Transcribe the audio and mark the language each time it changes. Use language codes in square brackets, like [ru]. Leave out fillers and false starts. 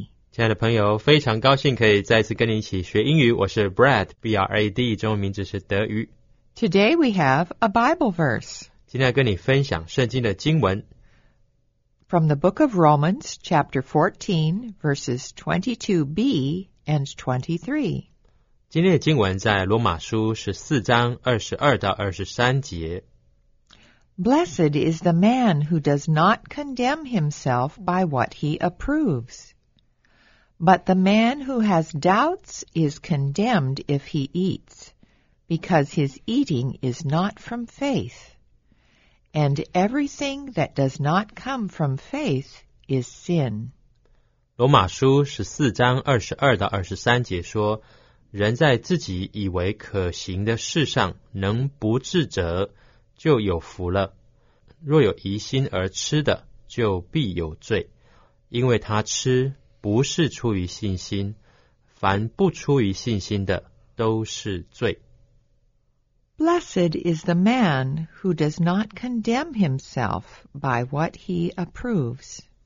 [zh] 亲爱的朋友，非常高兴可以再次跟你一起学英语。我是 Brad, B-R-A-D, 中文名字是德语。 [en] Today we have a Bible verse. [zh] 今天要跟你分享圣经的经文。 [en] From the book of Romans, chapter 14, verses 22b and 23. [zh] 今天的经文在罗马书14章22到23节。 [en] Blessed is the man who does not condemn himself by what he approves. But the man who has doubts is condemned if he eats, because his eating is not from faith. And everything that does not come from faith is sin. [zh] 罗马书14章22到23节说，人在自己以为可行的事上能不治者，就有福了。若有疑心而吃的，就必有罪，因为他吃不是出于信心，凡不出于信心的都是罪。 [en] Blessed is the man who does not condemn himself by what he approves.